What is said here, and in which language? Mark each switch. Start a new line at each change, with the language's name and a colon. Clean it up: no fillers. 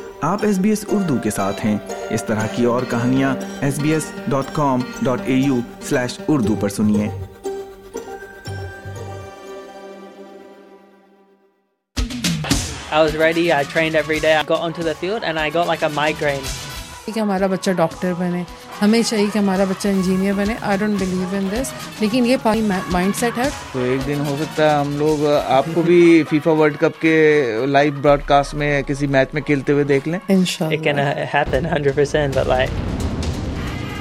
Urdu: آپ S B S Urdu کے ساتھ ہیں۔ اس طرح کی اور کہانیاں sbs.com.au/اردو پر سنیے۔
English: I was ready, I trained every day, I got onto the field and I got like a migraine.
Urdu: کہ ہمارا بچہ ڈاکٹر بنے، ہمیشہ ہی کہ ہمارا بچہ انجینئر بنے،
English: I don't believe in this،
Urdu: لیکن یہ پانی مائنڈ سیٹ ہے۔ تو ایک دن ہو سکتا ہے ہم لوگ آپ کو بھی فیفا ورلڈ کپ کے لائیو براڈ کاسٹ میں کسی میچ میں کھیلتے ہوئے دیکھ لیں، انشاءاللہ۔
English: It can happen 100%, but like